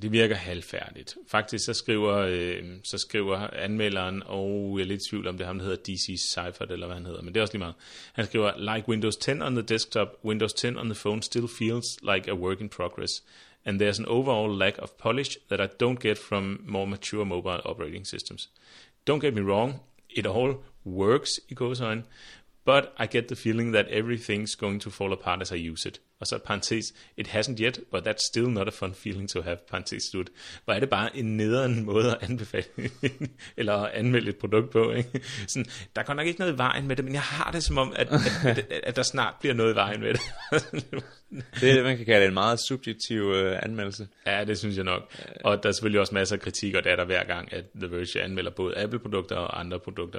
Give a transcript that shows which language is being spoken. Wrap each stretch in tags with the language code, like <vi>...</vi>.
<da>Det virker halvfærdigt. Faktisk så skriver anmelderen, og jeg er lidt i tvivl om det er ham, der hedder DC Seifert, eller hvad han hedder, men det er også lige meget.</da> <en>Han skriver, like Windows 10 on the desktop, Windows 10 on the phone still feels like a work in progress, and there's an overall lack of polish that I don't get from more mature mobile operating systems. Don't get me wrong, it all works,</en> <da>i gåsøjne,</da> <en>but I get the feeling that everything's going to fall apart as I use it.</en> <da>Og så parentes,</da> <en>it hasn't yet, but that's still not a fun feeling to have,</en> <da>parentes slut. Hvor er det bare en nederen måde at anbefale, eller at anmelde et produkt på, ikke? Sådan, der går nok ikke noget i vejen med det, men jeg har det som om, at der snart bliver noget i vejen med det. Det er det, man kan kalde en meget subjektiv anmeldelse. Ja, det synes jeg nok. Og der er selvfølgelig også masser af kritik, og det er der hver gang, at The Verge anmelder både Apple-produkter og andre produkter.</da>